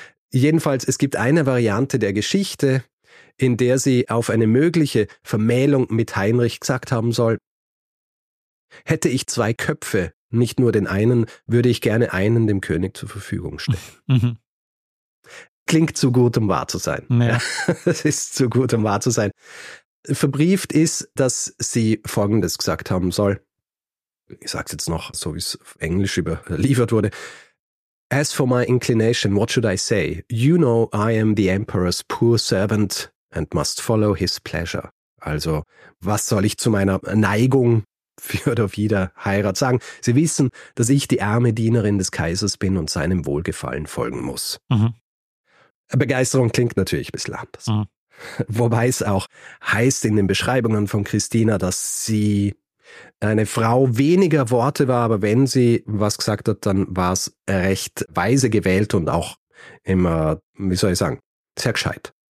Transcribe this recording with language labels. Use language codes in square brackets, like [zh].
[de] Jedenfalls, es gibt eine Variante der Geschichte, in der sie auf eine mögliche Vermählung mit Heinrich gesagt haben soll: Hätte ich zwei Köpfe, nicht nur den einen, würde ich gerne einen dem König zur Verfügung stellen. Klingt zu gut, um wahr zu sein. Es ist zu gut, um wahr zu sein. Verbrieft ist, dass sie Folgendes gesagt haben soll. Ich sage es jetzt noch, so wie es auf Englisch überliefert wurde. [en] As for my inclination, what should I say? You know I am the emperor's poor servant and must follow his pleasure. [de] Also, was soll ich zu meiner Neigung für oder wider Heirat sagen? Sie wissen, dass ich die arme Dienerin des Kaisers bin und seinem Wohlgefallen folgen muss. Mhm. Begeisterung klingt natürlich ein bisschen anders. Mhm. Wobei es auch heißt in den Beschreibungen von Christina, dass sie eine Frau weniger Worte war, aber wenn sie was gesagt hat, dann war es recht weise gewählt und auch immer, wie soll ich sagen, sehr gescheit.